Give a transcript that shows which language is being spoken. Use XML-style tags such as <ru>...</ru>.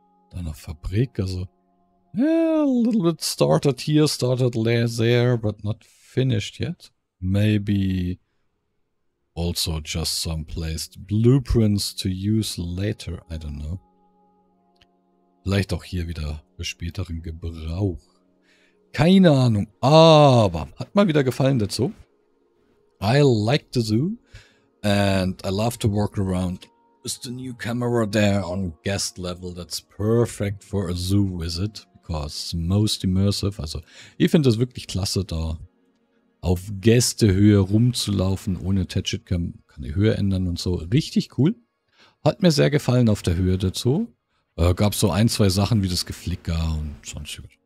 <de>Dann eine Fabrik, also.</de> <en>Yeah, a little bit started here, started there, but not finished yet. Maybe. Also just some placed blueprints to use later, I don't know.</en> <de>Vielleicht auch hier wieder für späteren Gebrauch. Keine Ahnung, aber hat mal wieder gefallen dazu.</de> <en>I like the zoo and I love to walk around with the new camera there on guest level. That's perfect for a zoo visit because it's most immersive.</en> <de>Also ich finde das wirklich klasse da. Auf Gästehöhe rumzulaufen ohne Tadget-Cam, kann die Höhe ändern und so. Richtig cool. Hat mir sehr gefallen auf der Höhe dazu. Gab so ein, zwei Sachen wie das Geflicker und sonstiges.</de>